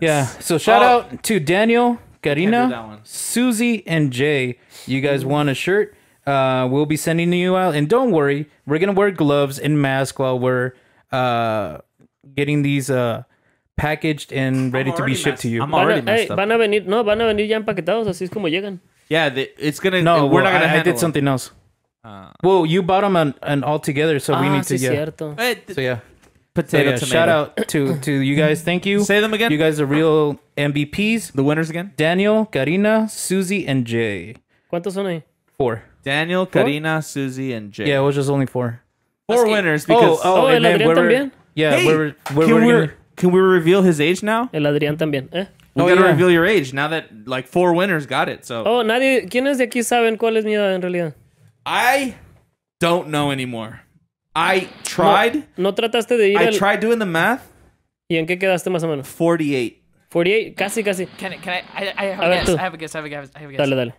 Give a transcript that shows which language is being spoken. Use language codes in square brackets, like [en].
[en] Yeah. So shout out to Daniel, Karina, Susie, and Jay. You guys won a shirt. We'll be sending you out, and don't worry, we're gonna wear gloves and mask while we're getting these packaged and ready to be shipped to you. I'm already messed up. [es] Van a venir, no, van a venir ya empaquetados, así es como llegan. [en] Yeah, it's gonna. No, we're not gonna. I did something else. Well, you bought them an all together, so we need to. Yeah. [es] Cierto. [en] So yeah, potato. Tomato. Shout out to you guys. Thank you. Say them again. You guys are real MVPs. The winners again: Daniel, Karina, Susie, and Jay. [es] ¿Cuántos son ahí? [en] Four. Daniel, four? Karina, Susie, and Jay. Yeah, it was just only four. Four winners because... [es] Oh, el Adrián también? [en] Yeah, hey, can we reveal his age now? [es] El Adrián también, eh? [en] We gotta reveal your age now that, like, four winners got it, so... [es] Oh, nadie... ¿Quiénes de aquí saben cuál es mi edad en realidad? [en] I don't know anymore. I tried... [es] No, no trataste de ir [en] I tried doing the math. [es] ¿Y en qué quedaste más o menos? [en] 48. [es] 48? Casi, casi. [en] Can I... I have a guess. [es] Dale.